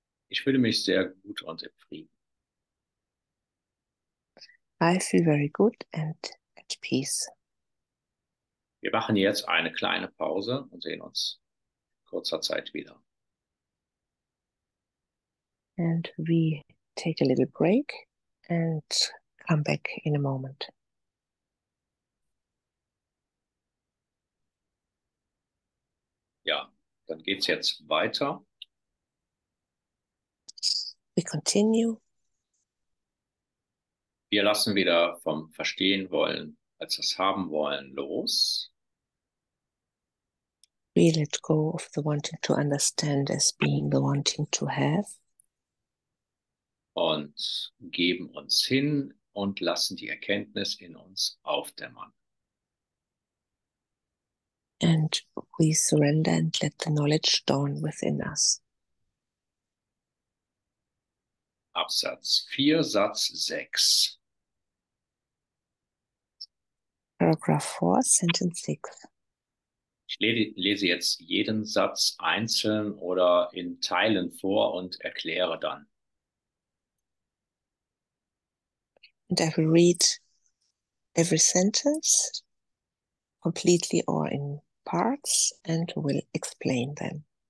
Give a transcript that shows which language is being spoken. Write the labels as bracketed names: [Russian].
[German] Ich fühle mich sehr gut und im Frieden. [English] I feel very good and at peace. [German] Wir machen jetzt eine kleine Pause und sehen uns in kurzer Zeit wieder. [English] And we take a little break and come back in a moment. [German] Ja, dann geht's jetzt weiter. [English] We continue. [German] Wir lassen wieder vom Verstehen wollen als das Haben wollen los. [English] We let go of the wanting to understand as being the wanting to have. [German] Und geben uns hin und lassen die Erkenntnis in uns aufdämmern. [English] And we surrender and let the knowledge dawn within us. [German] Absatz 4, Satz 6. [English] Paragraph 4, Sentence 6. [German] Ich lese jetzt jeden Satz einzeln oder in Teilen vor und erkläre dann. [English] And I will read every sentence completely or in parts and will explain them.